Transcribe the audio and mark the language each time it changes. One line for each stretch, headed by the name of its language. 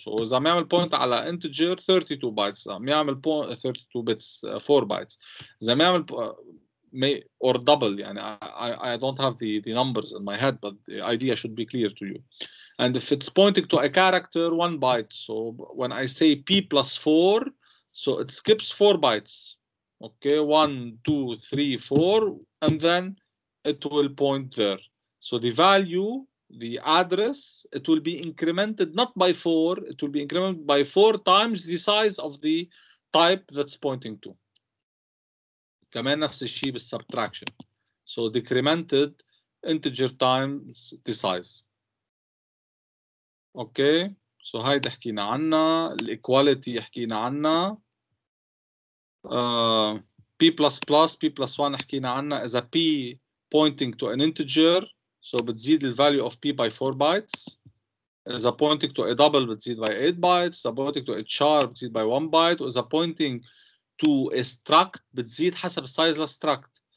Arabic: So إذا عم يعمل بوينت على integer 32 bytes، عم يعمل 32 bits 4 bytes. إذا عم يعمل
English: or double، يعني I don't have the numbers in my head but the idea should be clear to you. And if it's pointing to a character 1 byte، so when I say p plus 4 so it skips 4 bytes, okay, 1, 2, 3, 4, and then it will point there. So the value, the address, it will be incremented not by 4, it will be incremented by 4 times the size of the type that's pointing to.
Arabic: كمان نفس الشيء بالsubtraction.
English: So decremented integer times the size.
Arabic: Okay, so هاي حكينا عنها, الequality حكينا عنها.
English: P++ P plus 1
Arabic: حكينا عنها، إذا
English: P pointing to an integer so بتزيد the value of P by 4 bytes، إذا pointing to a double بتزيد by 8 bytes، إذا pointing to a char بتزيد by 1 byte، وإذا pointing to a struct بتزيد حسب size of struct.